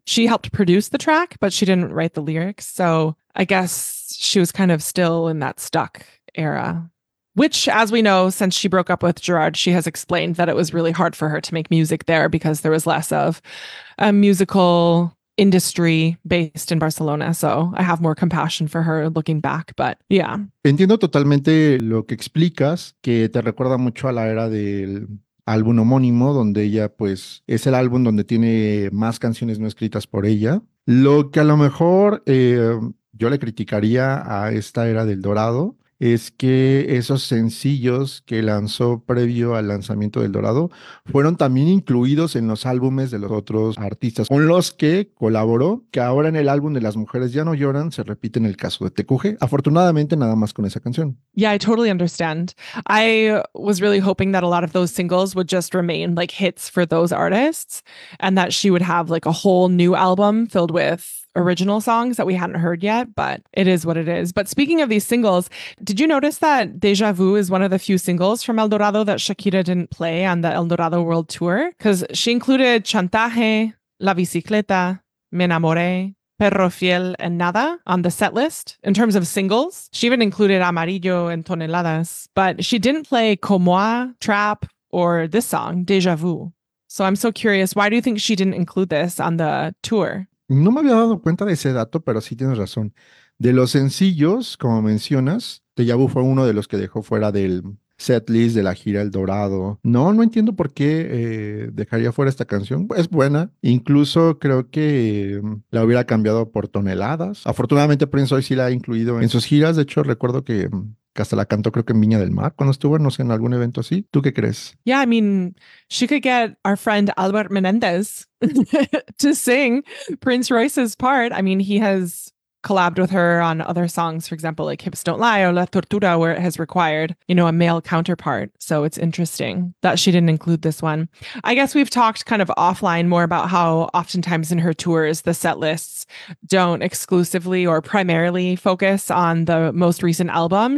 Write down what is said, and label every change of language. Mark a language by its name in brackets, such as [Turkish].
[English] She helped produce the track, but she didn't write the lyrics. So I guess she was kind of still in that stuck era, which, as we know, since she broke up with Gerard, she has explained that it was really hard for her to make music there because there was less of a musical industry based in Barcelona. So I have more compassion for her looking back, but yeah. [Spanish] Entiendo totalmente lo que explicas, que te recuerda mucho a la era del álbum homónimo, donde ella, pues, es el álbum donde tiene más canciones no escritas por ella. Lo que a lo mejor yo le criticaría a esta era del Dorado es que esos sencillos que lanzó previo al lanzamiento del Dorado fueron también incluidos en los álbumes de los otros artistas con los que colaboró, que ahora en el álbum de Las Mujeres Ya No Lloran se repite en el caso de TQG, afortunadamente nada más con esa canción. [English] Yeah, I totally understand. I was really hoping that a lot of those singles would just remain like hits for those artists, and that she would have like a whole new album filled with original songs that we hadn't heard yet, but it is what it is. But speaking of these singles, did you notice that Deja Vu is one of the few singles from El Dorado that Shakira didn't play on the El Dorado World Tour? Because she included Chantaje, La Bicicleta, Me Enamoré, Perro Fiel, and Nada on the set list in terms of singles. She even included Amarillo and Toneladas, but she didn't play Comoa, Trap, or this song, Deja Vu. So I'm so curious, why do you think she didn't include this on the tour? [Spanish] No me había dado cuenta de ese dato, pero sí tienes razón. De los sencillos, como mencionas, Deja Vu fue uno de los que dejó fuera del setlist de la gira El Dorado. No entiendo por qué dejaría fuera esta canción. Es buena. Incluso creo que la hubiera cambiado por Toneladas. Afortunadamente Prince hoy sí la ha incluido en sus giras. De hecho, recuerdo que hasta la cantó, creo que en Viña del Mar, cuando estuvo, no sé, en algún evento así. ¿Tú qué crees? [English] Yeah, I mean, she could get our friend Albert Menéndez to sing Prince Royce's part. I mean, he has collabed with her on other songs, for example, like Hips Don't Lie or La Tortura, where it has required, you know, a male counterpart. So it's interesting that she didn't include this one. I guess we've talked kind of offline more about how oftentimes in her tours, the set lists don't exclusively or primarily focus on the most recent album.